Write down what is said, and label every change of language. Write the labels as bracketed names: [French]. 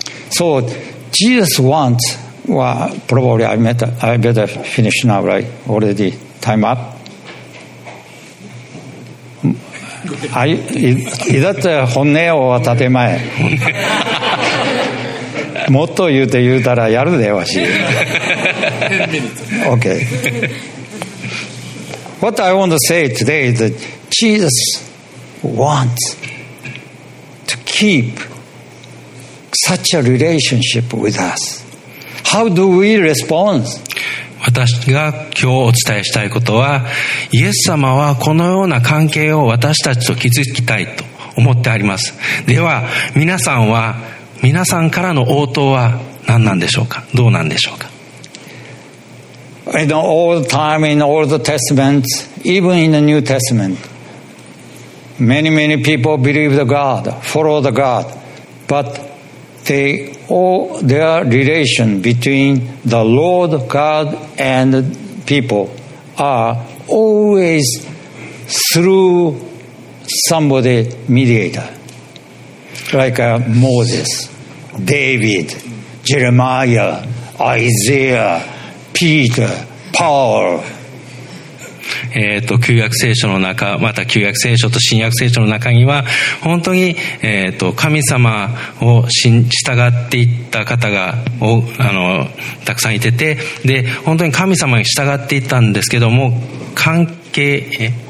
[English] So,Jesus wants, well, probably I better finish now, right? Already time up. Is that [Japanese] 本音を建て前？もっと言うて言うたらやるでわし。 [English] Okay. What I want to say today is that Jesus wants to keepSuch a relationship with us. How do we respond? [Japanese] 私が今日お伝えしたいことは、イエス様はこのような関係を私たちと築きたいと思ってあります。では、皆さんからの応答は何なんでしょうか？どうなんでしょうか？ [English] In the old time, in the old testament, even in the new testament, many, many people believed God, followed God, butTheir relation between the Lord God and people are always through somebody mediator, like Moses, David, Jeremiah, Isaiah, Peter, Paul. [Japanese] 旧約聖書の中、また旧約聖書と新約聖書の中には、本当に、神様を従っていった方がたくさんいてて、で、本当に神様に従っていったんですけども、関係、